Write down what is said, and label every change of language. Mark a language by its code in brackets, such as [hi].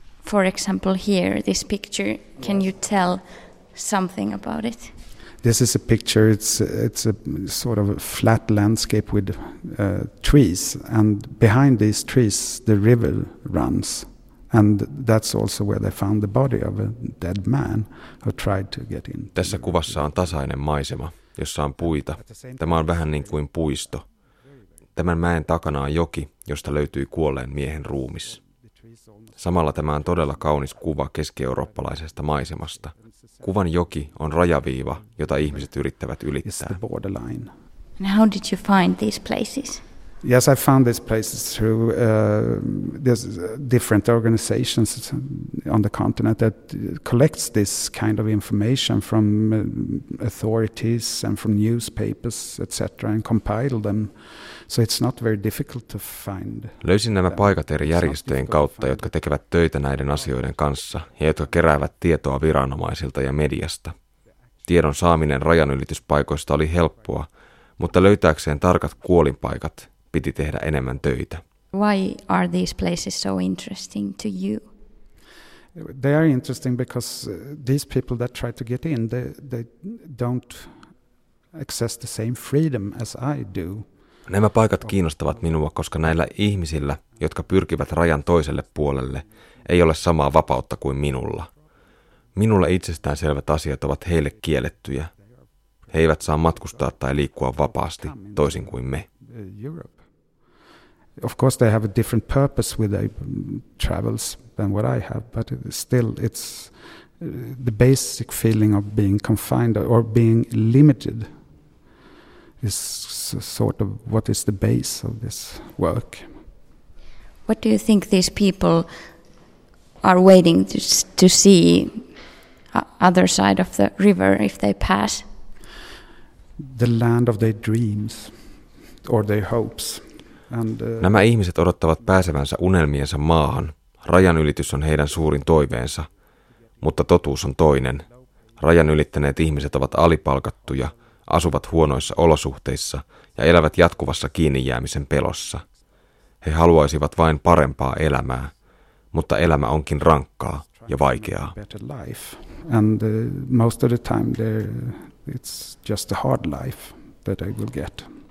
[en] For example, here this picture, can you tell something about it? This is a picture, it's a sort of a flat landscape with trees, and behind these trees the river runs, and that's also where they found the body of a dead man who tried to get in. [fi] Tässä kuvassa on tasainen maisema, jossa on puita. Tämä on vähän niin kuin puisto. Tämän mäen takana on joki, josta löytyi kuolleen miehen ruumis. Samalla tämä on todella kaunis kuva keskieurooppalaisesta maisemasta. Kuvan joki on rajaviiva, jota ihmiset yrittävät ylittää. [en] It's the borderline. And how did you find these places? Yes, I found these places through there's different organizations on the continent that collects this kind of information from authorities and from newspapers, etc., and compile them. So it's not very difficult to find. [fi] Löysin nämä paikat eri järjestöjen kautta, jotka tekevät töitä näiden asioiden kanssa ja jotka keräävät tietoa viranomaisilta ja mediasta. Tiedon saaminen rajanylityspaikoista oli helppoa, mutta löytääkseen tarkat kuolinpaikat piti tehdä enemmän töitä. [en] Why are these places so interesting to you? They are interesting because these people that try to get in, they don't access the same freedom as I do. [fi] Nämä paikat kiinnostavat minua, koska näillä ihmisillä, jotka pyrkivät rajan toiselle puolelle, ei ole samaa vapautta kuin minulla. Minulle itsestään selvät asiat ovat heille kiellettyjä. He eivät saa matkustaa tai liikkua vapaasti, toisin kuin me. [en] Of course they have a different purpose with their travels than what I have, but still it's the basic feeling of being confined or being limited. Is sort of what is the base of this work. What do you think these people are waiting to see other side of the river if they pass? The land of their dreams or their hopes. And, [fi] nämä ihmiset odottavat pääsevänsä unelmiensa maahan. Rajan ylitys on heidän suurin toiveensa, mutta totuus on toinen. Rajan ylittäneet ihmiset ovat alipalkattuja, asuvat huonoissa olosuhteissa ja elävät jatkuvassa kiinnijäämisen pelossa. He haluaisivat vain parempaa elämää, mutta elämä onkin rankkaa ja vaikeaa. [en] And most of the time it's just a hard life that I will get.